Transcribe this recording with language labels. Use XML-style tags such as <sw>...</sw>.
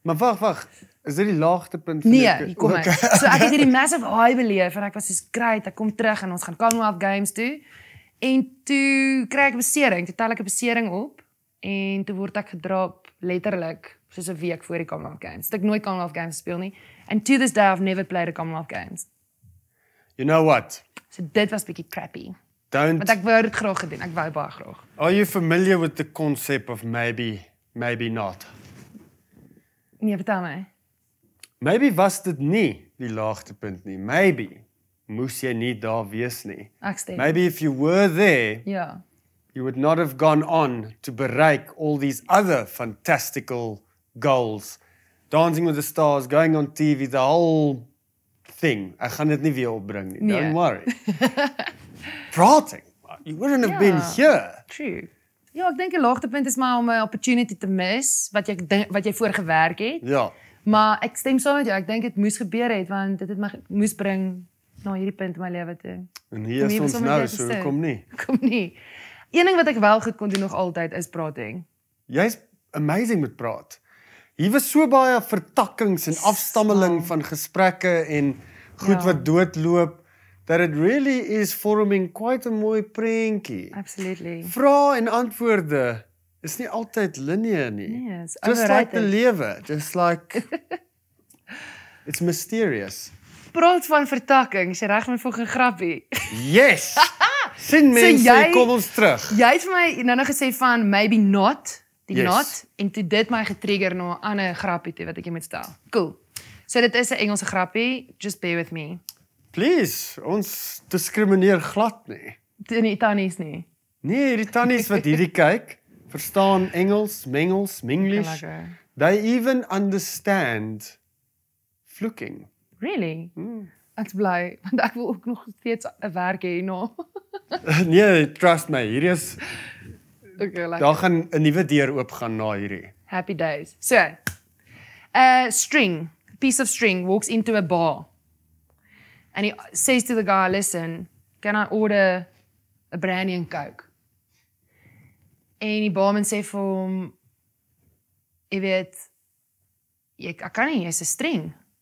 <af>Maar wag. Is dit die laagtepunt? Nee, hier kom ek. So ek het hierdie massive high beleef en ek was soos great, ek kom terug en ons gaan Commonwealth Games toe. En toe kry ek 'n besering. Toe tel ek 'n besering op. En toe word ek gedrop letterlik soos 'n week voor die Commonwealth Games. Ek nooit Commonwealth Games speel nie.</af> <en>And to this day I've never played the Commonwealth Games. You know what?</en> <af>So dit was bietjie crappy.</af> <en>Don't.</en> <af>Want ek wou dit graag gedoen. Ek wou baie graag.</af> <en>Are you familiar with the concept of maybe, maybe not?</en> <af>Nee, vertel my. Maybe was dit nie die laagtepunt nie. Maybe moes jy nie daar wees nie. Ek stem.</af> <en>Maybe if you were there,</en> <af>ja.</af> <en>You would not have gone on to bereik all these other fantastical goals. Dancing with the Stars, going on TV, the whole thing.</en> <af>Ek gaan dit nie weer opbring nie. Nee.</af> <en>Don't worry. Praating. You wouldn't have been here. True.</en> <af>Ja, ek dink die laagtepunt is maar om 'n opportunity te mis wat jy voor gewerk het. Ja. Maar ek stem saam met jou. Ek dink dit moes gebeur het want dit het my moes bring na hierdie punt in my lewe toe. En hier is ons nou, so kom nie. Kom nie. Een ding wat ek wel goed kon doen nog altyd is praating. Jy's amazing met praat. Hier was so baie vertakkings en afstammeling van gesprekke en goed wat doodloop dat</af> <en>it really is forming quite a</en> <af>mooi prentjie. Absolutely. Vrae en antwoorde is nie altyd lineêr nie. Nee,</af> <en>just like the lewe, just like it's mysterious.</en> <af>Praat van vertakkings, jy reg my vir 'n grappie. Yes. Sien mense, so jy, kom ons terug. Jy het vir my nou gesê van maybe not, die yes. not, en toe dit my getrigger na 'n ander grappie toe wat ek jy moet stel. Cool. So dit is 'n Engelse grappie,</af> <en>just bear with me.</en> <af>Please, ons diskrimineer glad nie. Teen die tannies nie. Nee, die tannies wat hierdie kyk, verstaan Engels, Mengels, Minglish.</af> <en>They even understand flukking. Really?</en> <af>Ek's bly, want ek wil ook nog steeds 'n werk hê na. Nee, trust my, hier is</af> <en>okay, like</en> <af>daar gaan 'n nuwe deur oop gaan na hierdie.</af> <en>Happy days. So, string, piece of string walks into a bar. And he says to the guy, listen, can I order a brandy and coke?</en> <af>En die barman sê vir hom, jy weet, ek kan nie, jy's 'n string.</af>